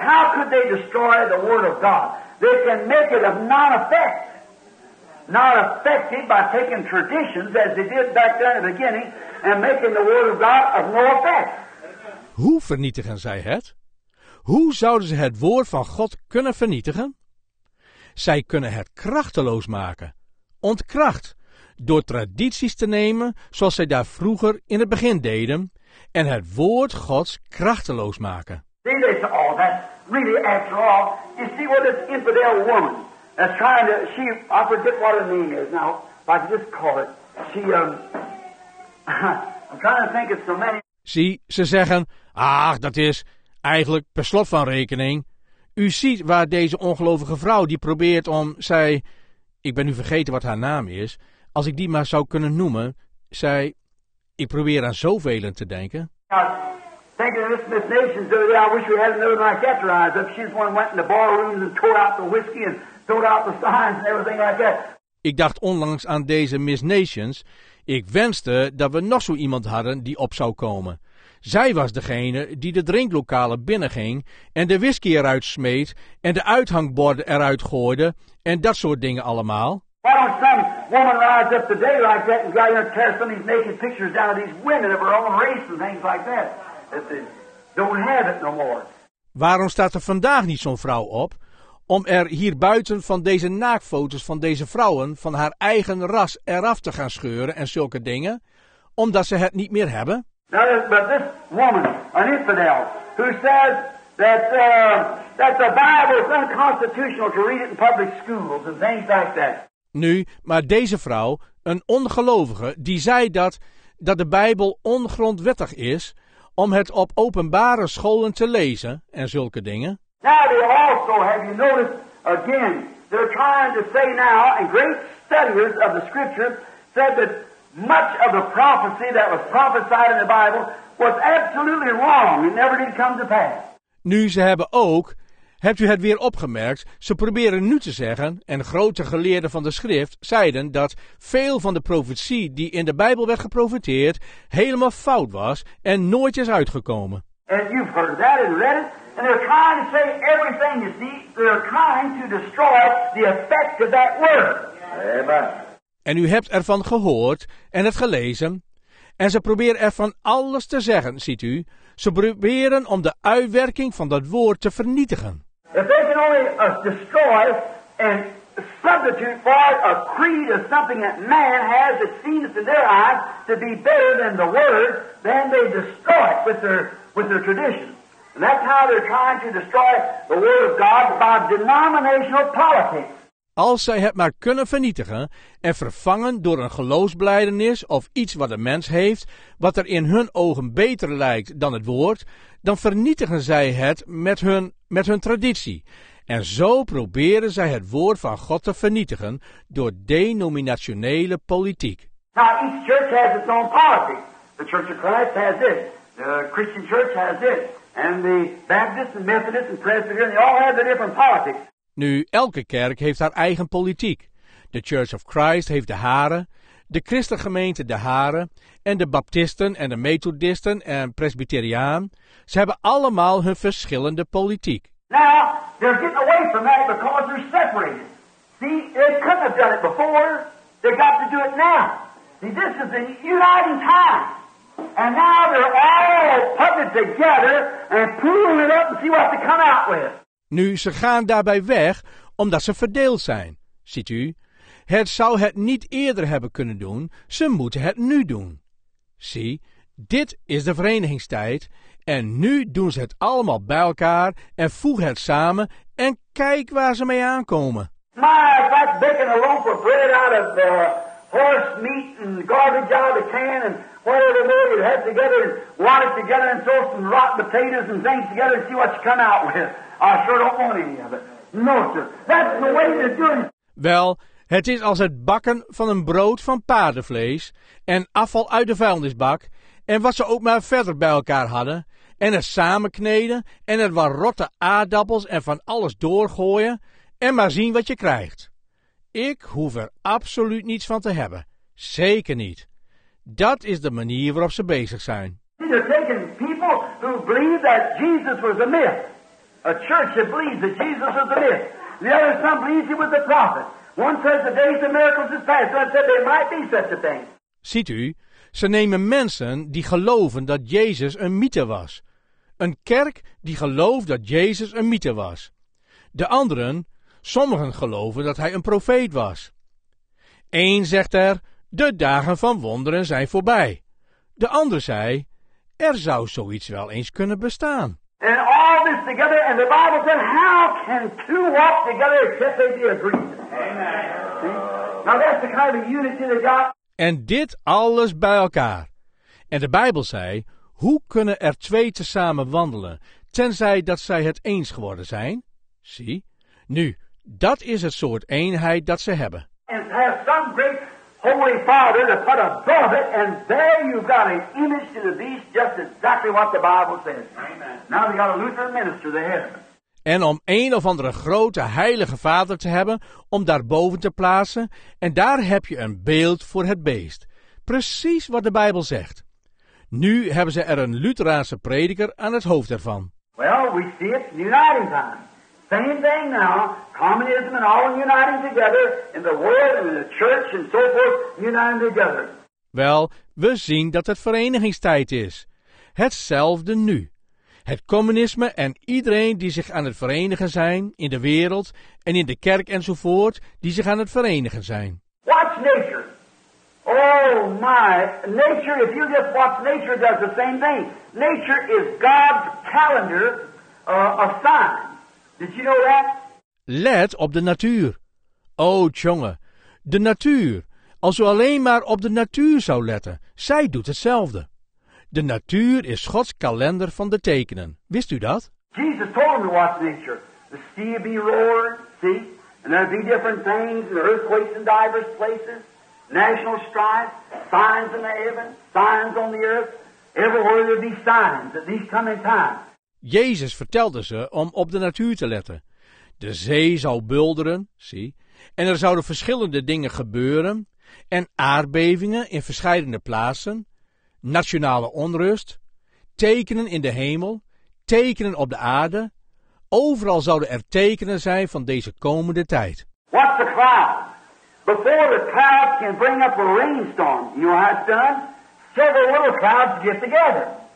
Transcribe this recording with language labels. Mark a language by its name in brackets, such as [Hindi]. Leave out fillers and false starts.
[English] How could they destroy the word of God? They can make it of non-effect. Not effective by taking traditions as they did back then in the beginning and making the word of God of no effect. [Dutch] Hoe vernietigen zij het? Hoe zouden ze het woord van God kunnen vernietigen? Zij kunnen het krachteloos maken, ontkracht, door tradities te nemen zoals zij daar vroeger in het begin deden en het woord Gods krachteloos maken. [English] See, they say, oh, that's really after all. You see what this infidel woman is trying to, she, I forget what her name is now, but I just call it, she, I'm trying to think of so many. [Dutch] Zie, ze zeggen, ach, dat is eigenlijk per slot van rekening. U ziet waar deze ongelovige vrouw die probeert om, zij, ik ben nu vergeten wat haar naam is, als ik die maar zou kunnen noemen, zij, ik probeer aan zoveel te denken. [English] Thank you, Miss Nations. I wish we had another like that rise up. She's one went in the barrooms and tore out the whiskey and threw out the signs and everything like that. [Dutch] Ik dacht onlangs aan deze Miss Nations. Ik wenste dat we nog zo iemand hadden die op zou komen. Zij was degene die de drinklokalen binnenging en de whisky eruit smeet en de uithangborden eruit gooide en dat soort dingen allemaal. [English] Why don't some woman rise up today like that and try to tear some of these naked pictures down of these women of her own race and things like that? Don't have it no more. [Dutch] Waarom staat er vandaag niet zo'n vrouw op om er hier buiten van deze naakfoto's van deze vrouwen van haar eigen ras eraf te gaan scheuren en zulke dingen, omdat ze het niet meer hebben? [English] But this woman, an infidel, who says that the Bible is unconstitutional to read it in public schools and things like that. [Dutch] Nu, maar deze vrouw, een ongelovige, die zei dat de Bijbel ongrondwettig is om het op openbare scholen te lezen en zulke dingen. [English] Now they also, have you noticed, again, they're trying to say now, and great studiers of the scriptures said that much of the prophecy that was prophesied in the Bible was absolutely wrong and never did come to pass. [Dutch] Nu, ze hebben ook, hebt u het weer opgemerkt, ze proberen nu te zeggen, en grote geleerden van de schrift zeiden dat veel van de profetie die in de Bijbel werd geprofeteerd helemaal fout was en nooit is uitgekomen. [English] And you've heard that and read it. And they're trying to say everything, you see. They're trying to destroy the effect of that word. Amen. [Dutch] En u hebt ervan gehoord en het gelezen. En ze proberen ervan alles te zeggen, ziet u. Ze proberen om de uitwerking van dat woord te vernietigen. [English] If they can only destroy and substitute for a creed of something that man has that seems in their eyes to be better than the word, then they destroy it with their tradition. And that's how they're trying to destroy the word of God by denominational politics. [Dutch] Als zij het maar kunnen vernietigen en vervangen door een geloofsbelijdenis of iets wat een mens heeft, wat er in hun ogen beter lijkt dan het woord, dan vernietigen zij het met hun traditie. En zo proberen zij het woord van God te vernietigen door denominationele politiek. [English] Now each church has its own policy. The Church of Christ has this. The Christian Church has this. And the Baptist and Methodist and Presbyterian, they all have their different politics. [Dutch] Nu, elke kerk heeft haar eigen politiek. De Church of Christ heeft de hare, de christelijke gemeente de hare, en de baptisten en de methodisten en presbyteriaan. Ze hebben allemaal hun verschillende politiek. [English] Now, they're getting away from that because they're separated. See, they couldn't have done it before. They got to do it now. See, this is a uniting time. And now they're all putting it together and pulling it up and see what they come out with. [Dutch] Nu, ze gaan daarbij weg omdat ze verdeeld zijn, ziet u. Het zou het niet eerder hebben kunnen doen, ze moeten het nu doen. Zie, dit is de verenigingstijd en nu doen ze het allemaal bij elkaar en voegen het samen en kijk waar ze mee aankomen. [English] My, that's baking a loaf of bread out of the horse meat and garbage out of the can and whatever more you have together and water it together and throw some rotten potatoes and things together and see what you come out with. I sure don't want any of it. No, sir. That's the way they're doing it. [Dutch] Wel, Het is als het bakken van een brood van paardenvlees en afval uit de vuilnisbak en wat ze ook maar verder bij elkaar hadden en het samenkneden en het wat rotte aardappels en van alles doorgooien en maar zien wat je krijgt. Ik hoef er absoluut niets van te hebben. Zeker niet. Dat is de manier waarop ze bezig zijn. [English] You're taking people who believe that Jesus was a myth. A church that believes that Jesus was a myth. The other some believe he was a prophet. One says the days of miracles is past. One said there might be such a thing. [Dutch] Ziet u, ze nemen mensen die geloven dat Jezus een mythe was. Een kerk die gelooft dat Jezus een mythe was. De anderen, sommigen geloven dat hij een profeet was. Eén zegt er, de dagen van wonderen zijn voorbij. De ander zei, er zou zoiets wel eens kunnen bestaan. [English] And all this together, and the Bible said, how can two walk together except they be agreed? Amen. Now that's the kind of unity that God... [Dutch] En dit alles bij elkaar. En de Bijbel zei, hoe kunnen er twee tezamen wandelen, tenzij dat zij het eens geworden zijn? Zie, nu, dat is het soort eenheid dat ze hebben. [English] And to have some great holy father to put above it, and there you've got an image to the beast, just exactly what the Bible says. Amen. Now they've got a Lutheran minister there. [Dutch] En om een of andere grote heilige vader te hebben, om daarboven te plaatsen, en daar heb je een beeld voor het beest. Precies wat de Bijbel zegt. Nu hebben ze er een Lutheraanse prediker aan het hoofd ervan. [English] Well, we see it in uniting time. Same thing now, communism and all uniting together, in the world and in the church and so forth, uniting together. [Dutch] Wel, we zien dat het verenigingstijd is. Hetzelfde nu. Het communisme en iedereen die zich aan het verenigen zijn in de wereld en in de kerk enzovoort, die zich aan het verenigen zijn. [English] Watch nature. Oh my, nature, if you just watch nature, does the same thing. Nature is God's calendar of signs. Did you know that? [Dutch] Let op de natuur. Oh tjonge, de natuur. Als u alleen maar op de natuur zou letten, zij doet hetzelfde. De natuur is Gods kalender van de tekenen. Wist u dat? [English] Jesus told him to watch nature. The sea be roaring, see? And there'd be different things, and earthquakes in diverse places, national strife, signs in the heaven, signs on the earth. Everywhere there'd be signs at these coming times. [Dutch] Jezus vertelde ze om op de natuur te letten. De zee zou bulderen, zie? En er zouden verschillende dingen gebeuren, en aardbevingen in verschillende plaatsen, nationale onrust, tekenen in de hemel, tekenen op de aarde. Overal zouden er tekenen zijn van deze komende tijd. [English] What's the cloud? Before the cloud can bring up a rainstorm, you know how it's done? Several little clouds get together.